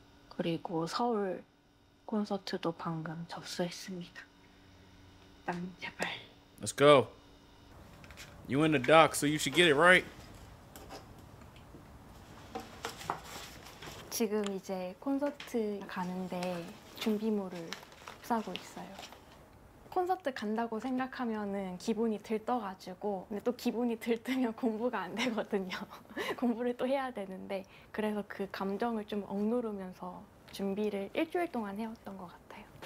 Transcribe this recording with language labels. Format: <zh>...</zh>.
<ko>그리고 서울 콘서트도 방금 접수했습니다. 난 제발.</ko> <en>Let's go. You in the dock, so you should get it right.</en> <ko>지금 이제 콘서트 가는데 준비물을 싸고 있어요. 콘서트 간다고 생각하면은 기분이 들떠가지고 근데 또 기분이 들뜨면 공부가 안 되거든요. 공부를 또 해야 되는데 그래서 그 감정을 좀 억누르면서 준비를 일주일 동안 해왔던 것 같아요.</ko>